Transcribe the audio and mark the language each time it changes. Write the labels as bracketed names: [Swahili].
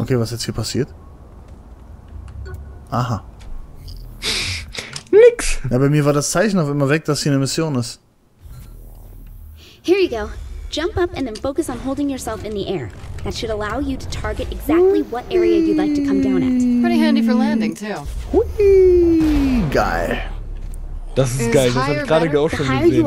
[German] Okay, was jetzt hier passiert? Aha. Nix. Ja, bei mir war das Zeichen auf immer weg, dass hier eine Mission ist. [English] Here you go. Jump up and then focus on holding yourself in the air. That should allow you to target exactly what area you'd like to come down at. Pretty handy for landing too. [German] Whee! Geil. Das ist geil, das habe ich gerade auch schon gesehen.